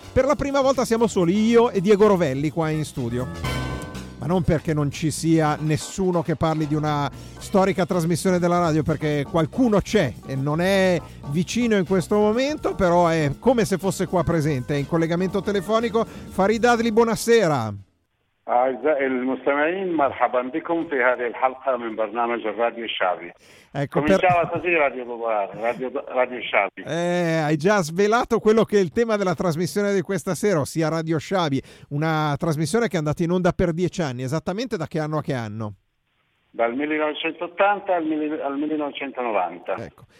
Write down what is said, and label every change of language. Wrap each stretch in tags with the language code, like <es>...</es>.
<it>Per la prima volta siamo soli io e Diego Rovelli qua in studio. Ma non perché non ci sia nessuno che parli di una storica trasmissione della radio, perché qualcuno c'è e non è vicino in questo momento, però è come se fosse qua presente, è in collegamento telefonico. Farid Adli, buonasera.</it> <ar>أعزائي المستمعين مرحبا بكم في هذه الحلقة من برنامج الراديو الشعبي.</ar> <it>Ecco, cominciamo per... a sentire Radio Popolare, Radio Sciabi. Hai già svelato quello che è il tema della trasmissione di questa sera, ossia Radio Sciabi, una trasmissione che è andata in onda per 10 anni, esattamente da che anno a che anno? Dal 1980 al 1990. Ecco.</it>